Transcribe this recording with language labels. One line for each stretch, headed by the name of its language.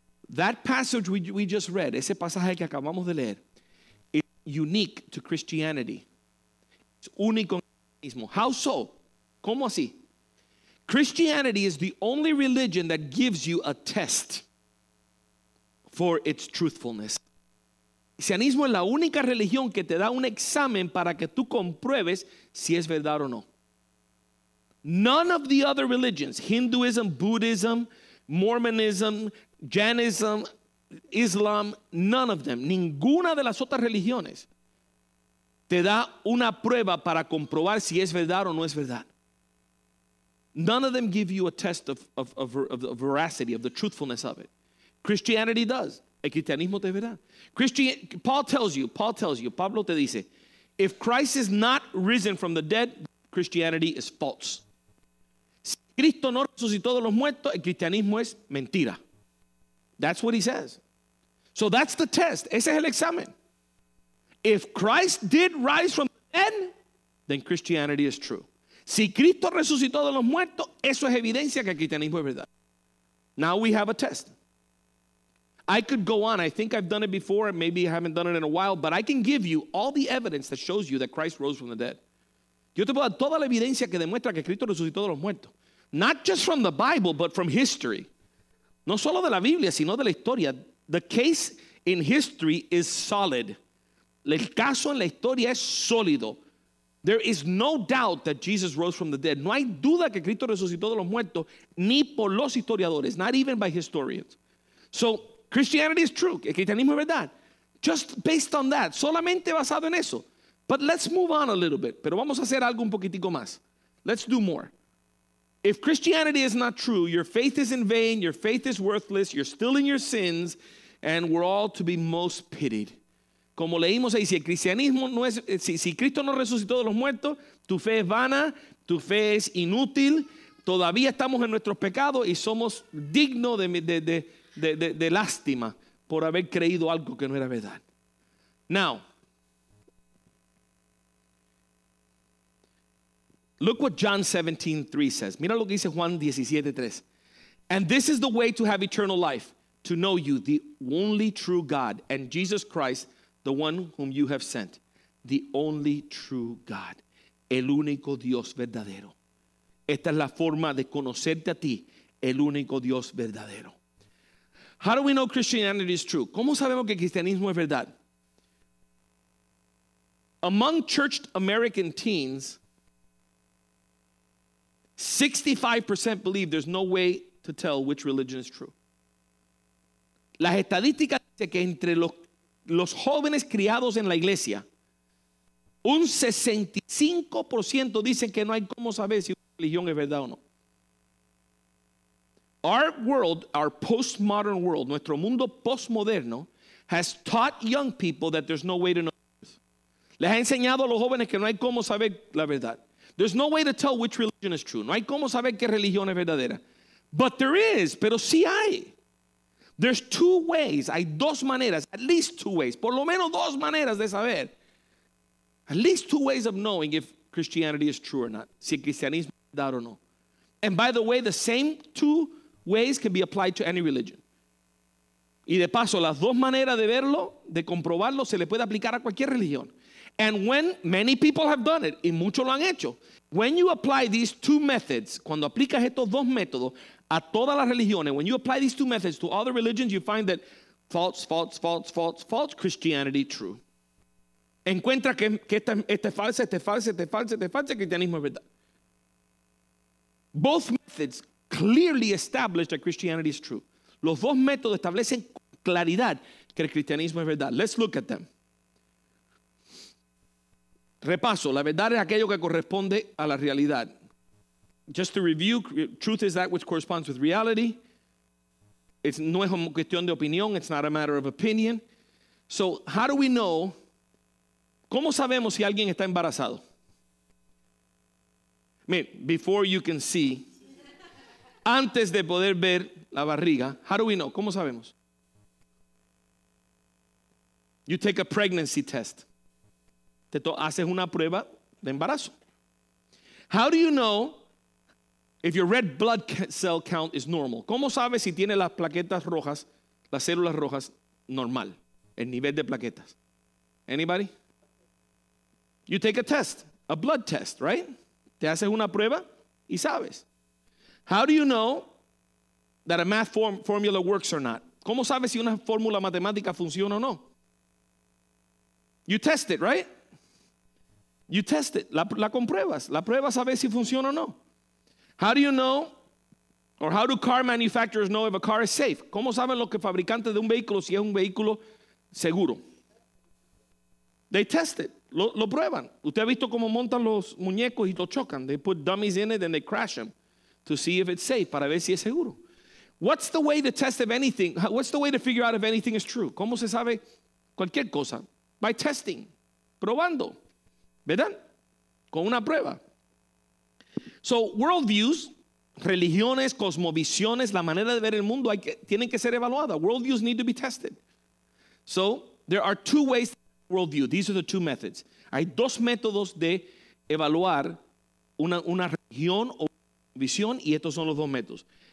English: That passage we just read,
Spanish: ese pasaje que acabamos de leer,
English: is unique to Christianity. It's
Spanish: único en el mismo.
English: How so?
Spanish: ¿Cómo así?
English: Christianity is the only religion that gives you a test for its truthfulness.
Spanish: Cristianismo es la única religión que te da un examen para que tú compruebes si es verdad o no.
English: None of the other religions, Hinduism, Buddhism, Mormonism, Jainism, Islam, none of them,
Spanish: ninguna de las otras religiones te da una prueba para comprobar si es verdad o no es verdad.
English: None of them give you a test of the veracity, of the truthfulness of it. Christianity does.
Spanish: El cristianismo te verá.
English: Paul tells you,
Spanish: Pablo te dice,
English: if Christ is not risen from the dead, Christianity is false.
Spanish: Si Cristo no resucitó de los muertos, el cristianismo es mentira.
English: That's what he says. So that's the test.
Spanish: Ese es el examen.
English: If Christ did rise from the dead, then Christianity is true.
Spanish: Si Cristo resucitó de los muertos, eso es evidencia que el cristianismo es verdad.
English: Now we have a test. I could go on. I think I've done it before. Maybe I haven't done it in a while. But I can give you all the evidence that shows you that Christ rose from the dead.
Spanish: Yo te puedo dar toda la evidencia que demuestra que Cristo resucitó de los muertos.
English: Not just from the Bible, but from history.
Spanish: No solo de la Biblia, sino de la historia.
English: The case in history is solid.
Spanish: El caso en la historia es sólido.
English: There is no doubt that Jesus rose from the dead.
Spanish: No hay duda que Cristo resucitó de los muertos, ni por los historiadores,
English: not even by historians. So, Christianity is true.
Spanish: El cristianismo es verdad.
English: Just based on that.
Spanish: Solamente basado en eso.
English: But let's move on a little bit.
Spanish: Pero vamos a hacer algo un poquitico más.
English: Let's do more. If Christianity is not true, your faith is in vain, your faith is worthless, you're still in your sins, and we're all to be most pitied.
Spanish: Como leímos ahí, si el cristianismo no es, si Cristo no resucitó de los muertos, tu fe es vana, tu fe es inútil, todavía estamos en nuestros pecados y somos dignos de lástima por haber creído algo que no era verdad.
English: Now, look what John 17:3 says.
Spanish: Mira lo que dice Juan 17:3.
English: And this is the way to have eternal life, to know you, the only true God, and Jesus Christ, the one whom you have sent. The only true God.
Spanish: El único Dios verdadero. Esta es la forma de conocerte a ti, el único Dios verdadero.
English: How do we know Christianity is true?
Spanish: ¿Cómo sabemos que el cristianismo es verdad?
English: Among churched American teens, 65% believe there's no way to tell which religion is true.
Spanish: Las estadísticas dicen que entre los jóvenes criados en la iglesia, un 65% dicen que no hay cómo saber si una religión es verdad o no.
English: Our world, our postmodern world,
Spanish: nuestro mundo postmoderno,
English: has taught young people that there's no way to know the truth.
Spanish: Les ha enseñado a los jóvenes que no hay cómo saber la verdad.
English: There's no way to tell which religion is true.
Spanish: No hay cómo saber qué religión es verdadera.
English: But there is,
Spanish: pero sí hay.
English: There's two ways,
Spanish: hay dos maneras,
English: at least two ways,
Spanish: por lo menos dos maneras de saber.
English: At least two ways of knowing if Christianity is true or not,
Spanish: si el cristianismo es verdad o no.
English: And by the way, the same two ways can be applied to any religion.
Spanish: Y de paso, las dos maneras de verlo, de comprobarlo, se le puede aplicar a cualquier religión.
English: And when many people have done it,
Spanish: y muchos lo han hecho,
English: when you apply these two methods,
Spanish: cuando aplicas estos dos métodos a todas las religiones,
English: when you apply these two methods to other religions, you find that false, false, false, false, false Christianity true.
Spanish: Encuentra que este falso, este falso, este falso, este falso, el cristianismo es verdad.
English: Both methods clearly established that Christianity is true.
Spanish: Los dos métodos establecen con claridad que el cristianismo es verdad.
English: Let's look at them.
Spanish: Repaso, la verdad es aquello que corresponde a la realidad.
English: Just to review, truth is that which corresponds with reality. It's
Spanish: no es una cuestión de opinión,
English: it's not a matter of opinion. So, how do we know,
Spanish: ¿cómo sabemos si alguien está embarazado?
English: Before you can see,
Spanish: antes de poder ver la barriga,
English: how do we know?
Spanish: ¿Cómo sabemos?
English: You take a pregnancy test.
Spanish: Te haces una prueba de embarazo.
English: How do you know if your red blood cell count is normal?
Spanish: ¿Cómo sabes si tiene las plaquetas rojas, las células rojas, normal? El nivel de plaquetas.
English: Anybody? You take a test, a blood test, right?
Spanish: Te haces una prueba y sabes.
English: How do you know that a math formula works or not?
Spanish: ¿Cómo sabes si una fórmula matemática funciona o no?
English: You test it, right? You test it.
Spanish: La compruebas. La pruebas a ver si funciona o no.
English: How do you know, or how do car manufacturers know if a car is safe?
Spanish: ¿Cómo saben los que fabricantes de un vehículo si es un vehículo seguro?
English: They test it.
Spanish: Lo prueban. ¿Usted ha visto cómo montan los muñecos y los chocan?
English: They put dummies in it and they crash them to see if it's safe,
Spanish: para ver si es seguro.
English: What's the way to test if anything? What's the way to figure out if anything is true?
Spanish: ¿Cómo se sabe cualquier cosa?
English: By testing,
Spanish: probando, ¿verdad? Con una prueba.
English: So worldviews,
Spanish: religiones, cosmovisiones, la manera de ver el mundo tienen que ser evaluadas.
English: Worldviews need to be tested. So there are two ways to test worldview. These are the two methods.
Spanish: Hay dos métodos de evaluar una religión o visión, y estos son los dos métodos.